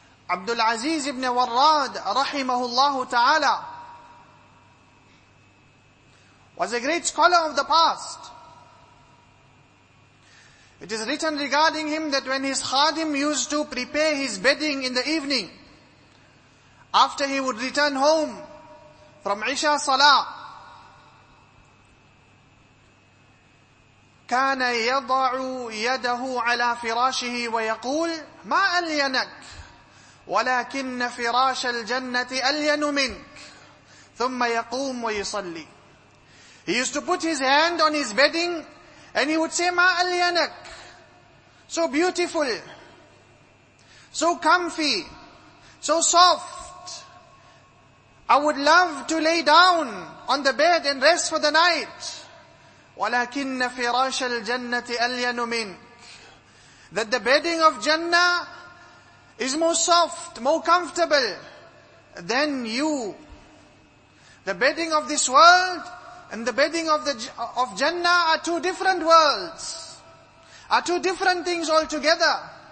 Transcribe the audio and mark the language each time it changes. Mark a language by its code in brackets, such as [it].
[en] Abdul Aziz ibn Warrad, rahimahullahu ta'ala, was a great scholar of the past. It is written regarding him that when his khadim used to prepare his bedding in the evening, after he would return home from Isha Salah, [ar] كان يضع يده على فراشه ويقول ما ألينك ولكن فراش الجنة ألين منك ثم يقوم ويصلي. [en] He used to put his hand on his bedding and he would say [ar] ما ألينك, [en] so beautiful, so comfy, so soft. I would love to lay down on the bed and rest for the night. [ar] ولكن فراش الجنة ألين منك. [en] That the bedding of Jannah is more soft, more comfortable than you. The bedding of this world and the bedding of Jannah are two different worlds, are two different things altogether.